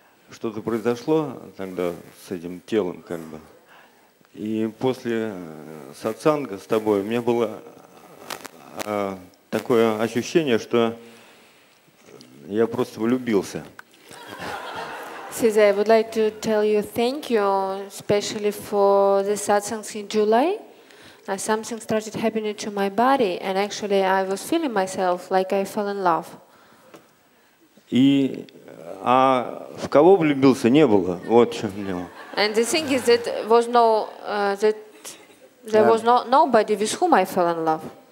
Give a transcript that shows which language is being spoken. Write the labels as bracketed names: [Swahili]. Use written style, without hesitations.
[Russian] Что-то произошло тогда с этим телом как бы. И после сатсанга с тобой у меня было такое ощущение, что я просто влюбился. [English] Cesar, I would like to tell you thank you, especially for the satsangs in July. Something started happening to my body, and actually I was feeling myself like I fell in love. [Russian] И, а в кого влюбился не было, вот в чем дело. [English] And the thing is that was no, that there was no nobody with whom I fell in love.